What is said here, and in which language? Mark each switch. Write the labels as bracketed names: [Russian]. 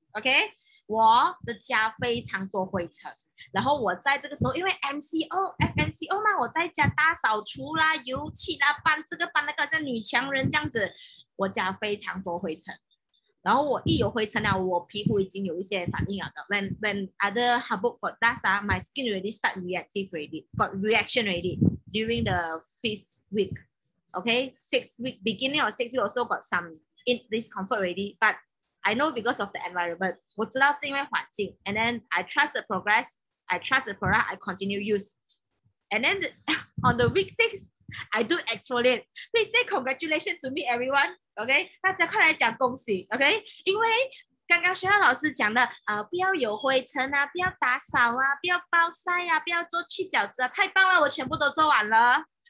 [Chinese] OK， 我的家非常多灰尘，然后我在这个时候，因为 MCO FMCO 嘛，我在家大扫除啦，油漆啦，搬这个搬那个，像女强人这样子，我家非常多灰尘。然后我一有灰尘了，我皮肤已经有一些反应了的。 [English] When other habit got dust, my skin already start reactive already, got reaction already during the fifth week. Okay, beginning of six week also got some discomfort already. But I know because of the environment, [Chinese] 我知道是因为环境。 [English] And then I trust the progress, I trust the product, I continue use. And then on the week six, I do exfoliate. Please say congratulations to me, everyone. OK， [Chinese] 大家快来讲恭喜 [English] ，OK？ [Chinese] 因为刚刚学校老师讲的，不要有灰尘啊，不要打扫啊，不要暴晒啊，不要做去角质啊，太棒了，我全部都做完了。